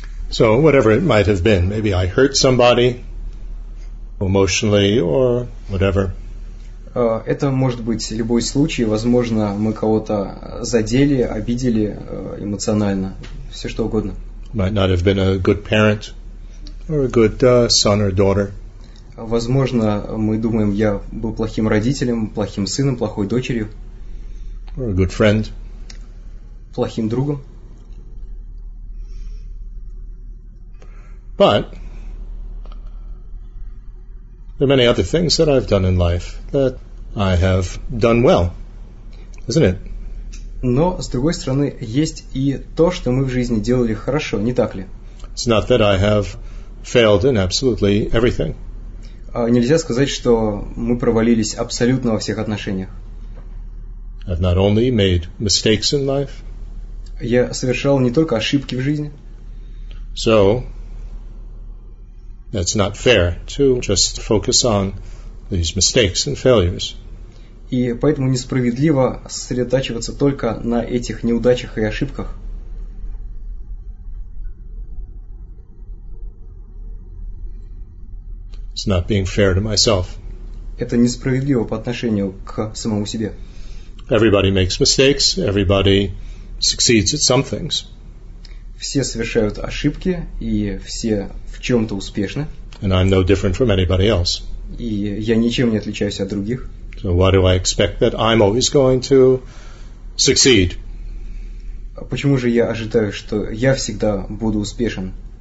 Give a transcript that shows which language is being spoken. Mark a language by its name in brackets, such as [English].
[English] So whatever it might have been, maybe I hurt somebody emotionally or whatever. [Russian] Это может быть любой случай. Возможно, мы кого-то задели, обидели эмоционально. Все что угодно. [English] Might not have been a good parent or a good son or daughter. [Russian] Возможно, мы думаем, я был плохим родителем, плохим сыном, плохой дочерью. [English] Or a good friend. [Russian] Плохим другом. [English] But there are many other things that I've done in life that I have done well, isn't it? [Russian] Но, с другой стороны, есть и то, что мы в жизни делали хорошо, не так ли? [English] It's not that I have failed in absolutely everything. [Russian] Нельзя сказать, что мы провалились абсолютно во всех отношениях. [English] I've not only made mistakes in life. [Russian] Я совершал не только ошибки в жизни. [English] So, that's not fair to just focus on these mistakes and failures. [Russian] И поэтому несправедливо сосредотачиваться только на этих неудачах и ошибках. [English] It's not being fair to myself. [Russian] Это несправедливо по отношению к самому себе. [English] Everybody makes mistakes, everybody succeeds at some things. [Russian] Все совершают ошибки, и все в чем-то успешны. [English] And I'm no different from anybody else. [Russian] И я ничем не отличаюсь от других. [English] So why do I expect that I'm always going to succeed? [Russian] Почему же я ожидаю, что я всегда буду успешен?